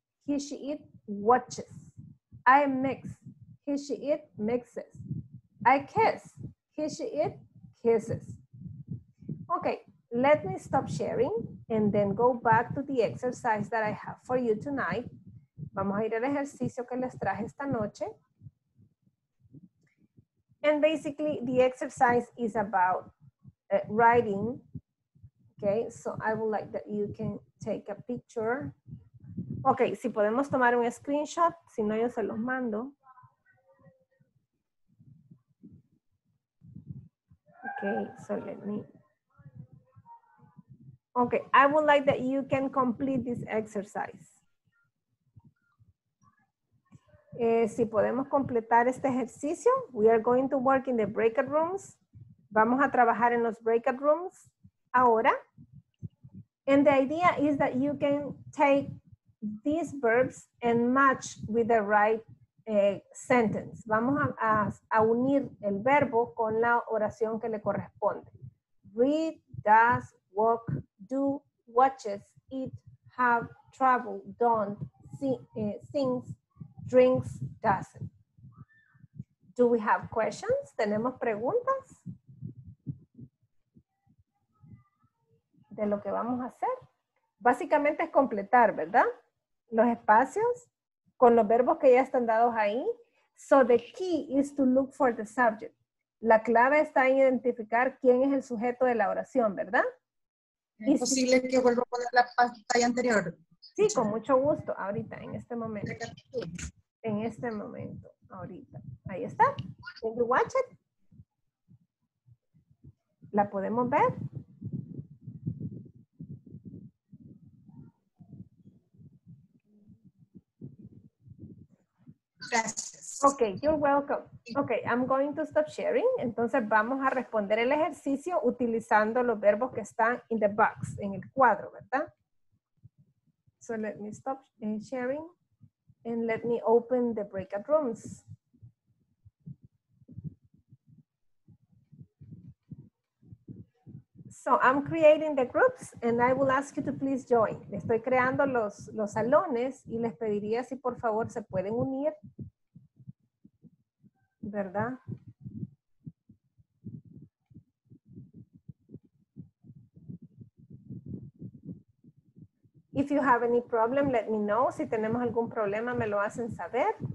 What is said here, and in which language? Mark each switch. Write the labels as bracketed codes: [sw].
[en] He, she, it watches. I mix. He, she, it mixes. I kiss. He, she, it kisses. Okay, let me stop sharing and then go back to the exercise that I have for you tonight. [es] Vamos a ir al ejercicio que les traje esta noche. [en] And basically, the exercise is about writing, okay? So I would like that you can take a picture. Okay, [es] si podemos tomar un screenshot, si no yo se los mando. [en] Okay, so let me. Okay, I would like that you can complete this exercise. [es] Si podemos completar este ejercicio, [en] we are going to work in the breakout rooms. [es] Vamos a trabajar en los breakout rooms ahora. [en] And the idea is that you can take these verbs and match with the right sentence. [es] Vamos a unir el verbo con la oración que le corresponde. [en] Read, does, walk, do, watches, eat, have, travel, don't, sings, drinks, doesn't. Do we have questions? [es] ¿Tenemos preguntas? De lo que vamos a hacer. Básicamente es completar, ¿verdad? Los espacios con los verbos que ya están dados ahí. [en] So the key is to look for the subject. [es] La clave está en identificar quién es el sujeto de la oración, ¿verdad? Es posible que vuelva a poner la pantalla anterior. Sí, con mucho gusto, ahorita, en este momento. En este momento, ahorita. Ahí está. [en] Can you watch it? [es] ¿La podemos ver? Gracias. [en] Ok, you're welcome. Ok, I'm going to stop sharing. [es] Entonces vamos a responder el ejercicio utilizando los verbos que están [en] in the box, [es] en el cuadro, ¿verdad? [en] So let me stop sharing. And let me open the breakout rooms. So I'm creating the groups and I will ask you to please join. [es] Estoy creando los salones y les pediría si por favor se pueden unir. ¿Verdad? [en] If you have any problem, let me know. [es] Si tenemos algún problema, me lo hacen saber.